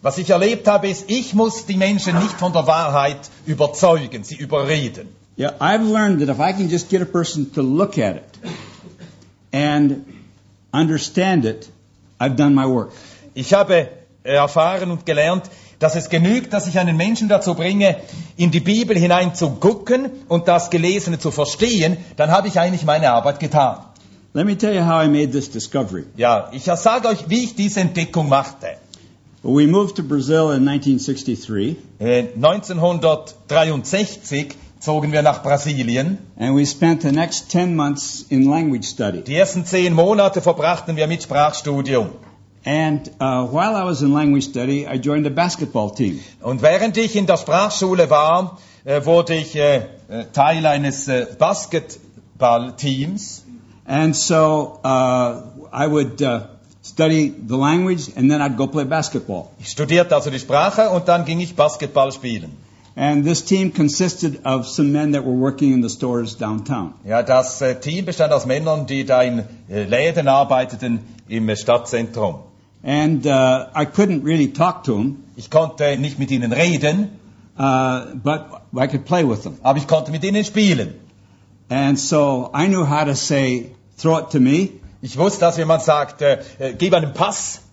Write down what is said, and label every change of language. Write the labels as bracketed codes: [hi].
[de] Was ich erlebt habe, ist, ich muss die Menschen nicht von der Wahrheit überzeugen, sie überreden. [en] Yeah, I've learned that if I can just get a person to look at it and understand it, I've done my work. [de] Ich habe erfahren und gelernt, dass es genügt, dass ich einen Menschen dazu bringe, in die Bibel hinein zu gucken und das Gelesene zu verstehen, dann habe ich eigentlich meine Arbeit getan. [en] Let me tell you how I made this discovery. [de] Ja, ich sage euch, wie ich diese Entdeckung machte. [en] We moved to Brazil in 1963. [de] 1963 zogen wir nach Brasilien. [en] And we spent the next 10 months in language study. [de] Die ersten 10 Monate verbrachten wir mit Sprachstudium. [en] And while I was in language study, I joined a basketball team. [de] Und während ich in der Sprachschule war, wurde ich Teil eines Basketballteams. [en] And so I would study the language and then I'd go play basketball. [de] Ich studierte also die Sprache und dann ging ich Basketball spielen. [en] And this team consisted of some men that were working in the stores downtown. [de] Ja, das Team bestand aus Männern, die da in Läden arbeiteten im Stadtzentrum. [en] And I couldn't really talk to them. [de] Ich konnte nicht mit ihnen reden. [en] But I could play with them. [de] Aber ich konnte mit ihnen spielen. [en] And so I knew how to say, throw it to me. [de] Ich wusste, dass jemand sagt, gib einen Pass.